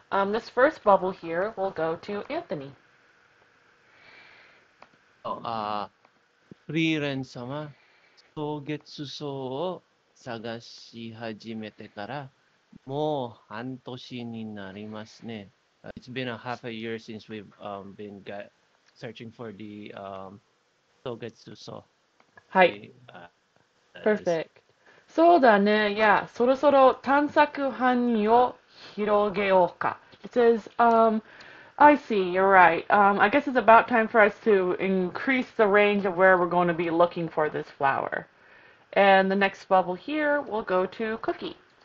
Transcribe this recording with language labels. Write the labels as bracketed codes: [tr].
[en] This first bubble here will go to Anthony. [ja] フリーレン様、草月草を探し始めてからもう半年になりますね。 [en] It's been a half a year since we've been searching for the 草月草。 [ja] はい。 [en] The that is Perfect. [ja] そうだね。いや、そろそろ探索範囲を広げようか。 [en] It says, I see, you're right. I guess it's about time for us to increase the range of where we're going to be looking for this flower. And the next bubble here will go to Cookie.